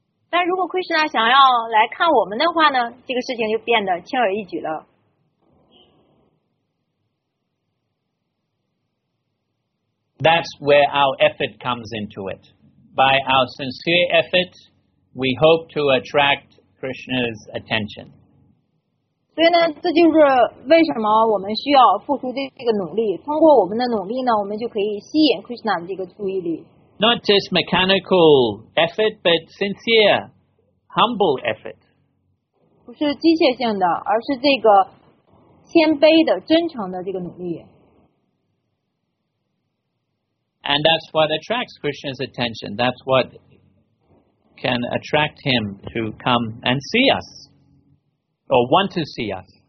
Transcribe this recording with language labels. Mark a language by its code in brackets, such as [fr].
[zh] 但如果 Krishna 想要来看我们的话呢，这个事情就变得轻而易举了。 [en] That's where our effort comes into it. By our sincere effort, we hope to attract Krishna's attention. [zh] 所以呢，这就是为什么我们需要付出这个努力。通过我们的努力呢，我们就可以吸引 Krishna 的这个注意力。 [en] Not just mechanical effort, but sincere, humble effort. [zh] 不是机械性的，而是这个谦卑的、真诚的这个努力。 [en] And that's what attracts Krishna's attention. That's what can attract him to come and see us or want to see us.